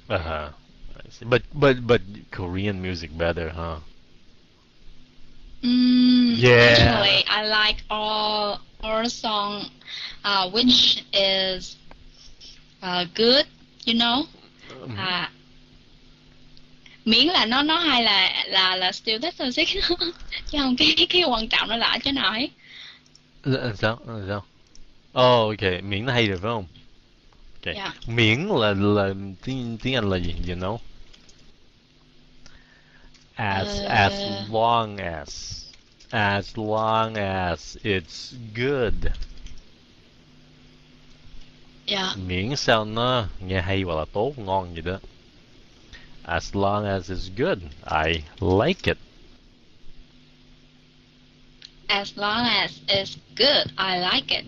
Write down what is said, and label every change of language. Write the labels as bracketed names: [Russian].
[English] Uh-huh. I see. But Korean music better, huh? Yeah. Actually, I like all song, which is good, you know. [Vietnamese] Miễn là nó hay là still thích thôi chứ không cái quan trọng nó là ở chỗ nào ấy. Sao? [English] Oh, okay. [Vietnamese] Miễn là hay được phải không? [English] Okay. Yeah. [Vietnamese] Miễn là tiếng Anh là gì? [English] You know? As long as it's good. Yeah. [Vietnamese] Miễn sao nó nghe hay hoặc là tốt, ngon gì đó. [English] As long as it's good, I like it. As long as it's good, I like it.